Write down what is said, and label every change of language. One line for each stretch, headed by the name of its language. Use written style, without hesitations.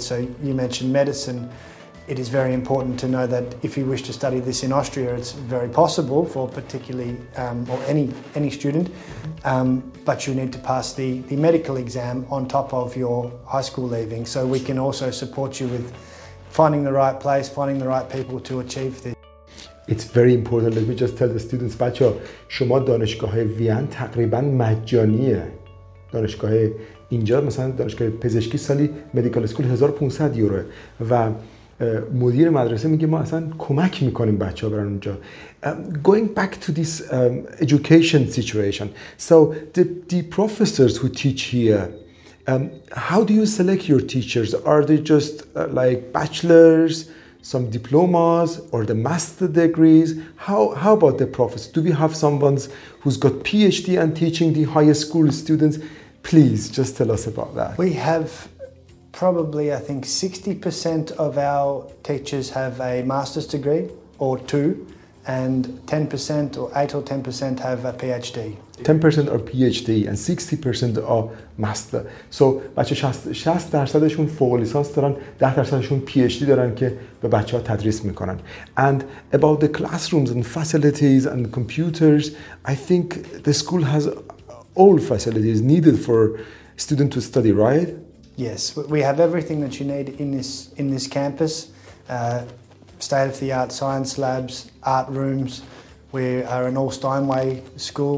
English: So you mentioned medicine. It is very important to know that if you wish to study this in Austria, it's very possible for particularly or any student, but you need to pass the medical exam on top of your high school leaving. So we can also support you with finding the right place, finding the right people to achieve this. It's very important. Let me just tell the students,
Persian: بچه ها, شما دانشگاه ویان تقریبا مجانیه. دانشگاه اینجا مثلا دانشگاه پزشکی سالی مدیکال اسکول 1500 یورو و مدیر مدرسه میگه ما اصلا کمک میکنیم بچه ها برن اونجا.
English: Going back to this education situation, so the professors who teach here, how do you select your teachers? Are they just like bachelors, some diplomas, or the master degrees? How about the professors? Do we have someone who's got PhD and teaching the higher school students? Please just tell us about that. We have probably, I think, 60% of our teachers have a master's degree or two, and 10% or 8 or 10% have a PhD. 10% are PhD and 60% are master. So,
Persian: بچه 60%شون فوق لیسانس دارن, 10%شون PhD دارن که به بچه ها تدریس میکنن.
English: And about the classrooms and facilities and computers, I think the school has all facilities needed for students to study, right? Yes, we have everything that you need in this campus. State-of-the-art science labs, art rooms. We are an all Steinway school.